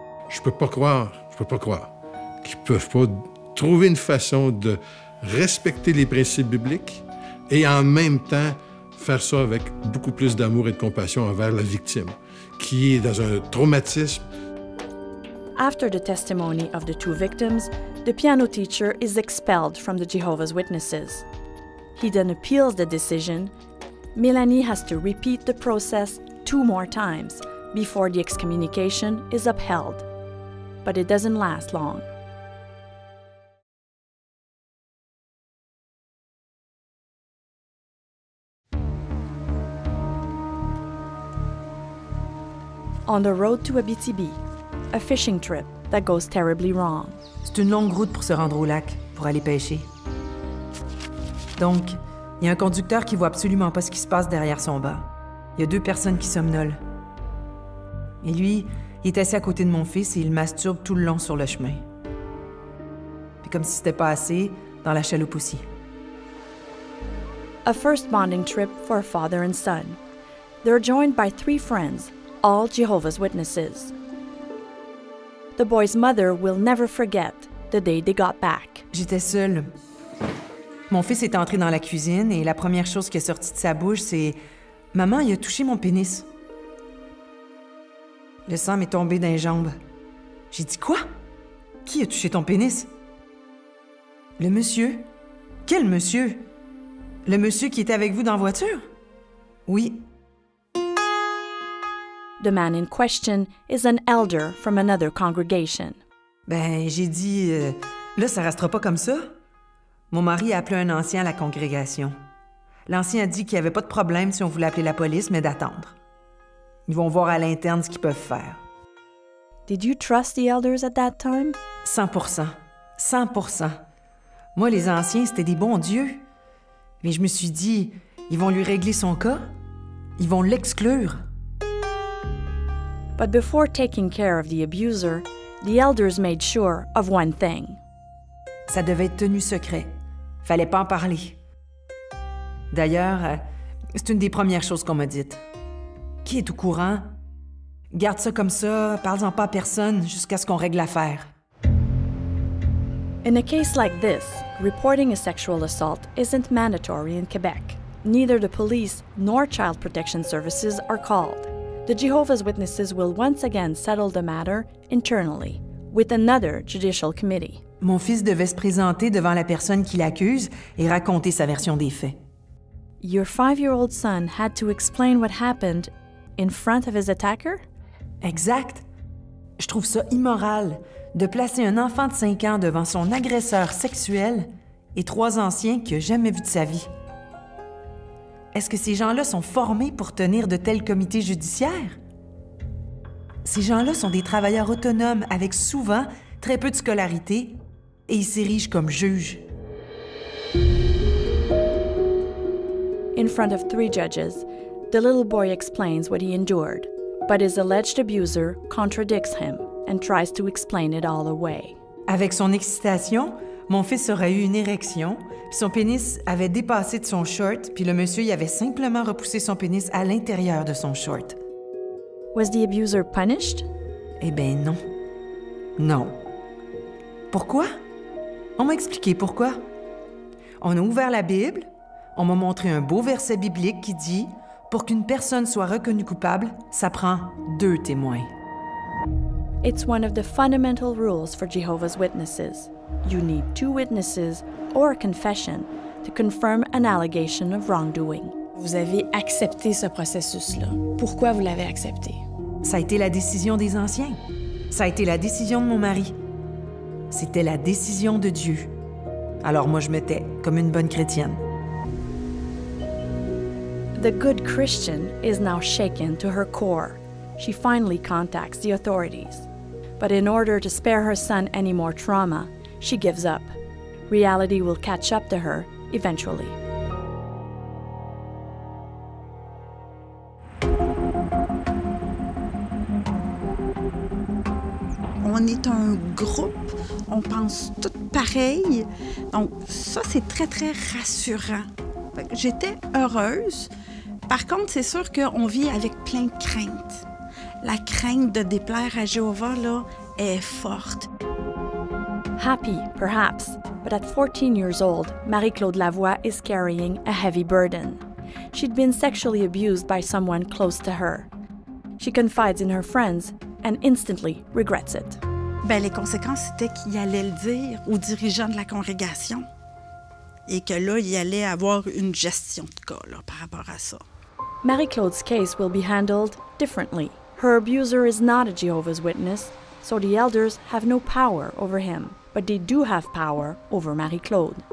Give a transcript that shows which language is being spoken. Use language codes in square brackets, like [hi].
[fr] Je peux pas croire qu'ils peuvent pas trouver une façon de respecter les principes bibliques et en même temps faire ça avec beaucoup plus d'amour et de compassion envers la victime qui est dans un traumatisme. [en] After the testimony of the two victims, the piano teacher is expelled from the Jehovah's Witnesses. He then appeals the decision. Mélanie has to repeat the process two more times before the excommunication is upheld. But it doesn't last long. On the road to Abitibi, a fishing trip that goes terribly wrong. [fr] C'est une longue route pour se rendre au lac, pour aller pêcher. Donc, il y a un conducteur qui voit absolument pas ce qui se passe derrière son bas. Il y a deux personnes qui somnolent. Et lui, il est assis à côté de mon fils et il masturbe tout le long sur le chemin. Puis comme si c'était pas assez, dans la chaloupe aussi. [en] A first bonding trip for a father and son. They're joined by three friends, all Jehovah's Witnesses. The boy's mother will never forget the day they got back. [fr] J'étais seule. Mon fils est entré dans la cuisine et la première chose qui est sortie de sa bouche, c'est Maman, il a touché mon pénis. Le sang m'est tombé dans les jambes. J'ai dit quoi? Qui a touché ton pénis? Le monsieur. Quel monsieur? Le monsieur qui était avec vous dans la voiture? Oui. [en] The man in question is an elder from another congregation. [fr] Ben, j'ai dit, là, ça restera pas comme ça. Mon mari a appelé un ancien à la congrégation. L'ancien a dit qu'il n'y avait pas de problème si on voulait appeler la police, mais d'attendre. Ils vont voir à l'interne ce qu'ils peuvent faire. [en] Did you trust the elders at that time? [fr] 100%. 100%. Moi, les anciens, c'était des bons dieux. Mais je me suis dit, ils vont lui régler son cas. Ils vont l'exclure. [en] But before taking care of the abuser, the elders made sure of one thing. [fr] Ça devait être tenu secret. Fallait pas en parler. D'ailleurs, c'est une des premières choses qu'on m'a dites. Qui est au courant? Garde ça comme ça, parle-en pas à personne jusqu'à ce qu'on règle l'affaire. [en] In a case like this, reporting a sexual assault isn't mandatory in Quebec. Neither the police nor child protection services are called. The Jehovah's Witnesses will once again settle the matter internally with another judicial committee. [fr] Mon fils devait se présenter devant la personne qui l'accuse et raconter sa version des faits. [en] Your five-year-old son had to explain what happened in front of his attacker? [fr] Exact. Je trouve ça immoral de placer un enfant de 5 ans devant son agresseur sexuel et trois anciens qu'il n'a jamais vu de sa vie. Est-ce que ces gens-là sont formés pour tenir de tels comités judiciaires? Ces gens-là sont des travailleurs autonomes avec souvent très peu de scolarité et ils s'érigent comme juges. [en] In front of three judges, the little boy explains what he endured, but his alleged abuser contradicts him and tries to explain it all away. [fr] Avec son excitation, mon fils aurait eu une érection, puis son pénis avait dépassé de son short, puis le monsieur y avait simplement repoussé son pénis à l'intérieur de son short. [en] Was the abuser punished? [fr] Eh bien, non. Non. Pourquoi? On m'a expliqué pourquoi. On a ouvert la Bible, on m'a montré un beau verset biblique qui dit « Pour qu'une personne soit reconnue coupable, ça prend deux témoins. » [en] It's one of the fundamental rules for Jehovah's Witnesses. You need two witnesses or a confession to confirm an allegation of wrongdoing. [fr] Vous avez accepté ce processus-là. Pourquoi vous l'avez accepté? Ça a été la décision des anciens. Ça a été la décision de mon mari. C'était la décision de Dieu. Alors moi, je me tais comme une bonne chrétienne. [en] The good Christian is now shaken to her core. She finally contacts the authorities. But in order to spare her son any more trauma, she gives up. Reality will catch up to her eventually. [fr] On est un groupe, on pense tout pareil. Donc ça, c'est très, très rassurant. J'étais heureuse. Par contre, c'est sûr qu'on vit avec plein de craintes. La crainte de déplaire à Jéhovah, là, est forte. [en] Happy, perhaps, but at 14 years old, Marie-Claude Lavoie is carrying a heavy burden. She'd been sexually abused by someone close to her. She confides in her friends and instantly regrets it. [fr] Ben, les conséquences, c'était qu'il allait le dire aux dirigeants de la congrégation. Et que là, il allait avoir une gestion de cas là, par rapport à ça. [en] Marie-Claude's case will be handled differently. Her abuser is not a Jehovah's Witness, so the elders have no power over him. But they do have power over Marie-Claude.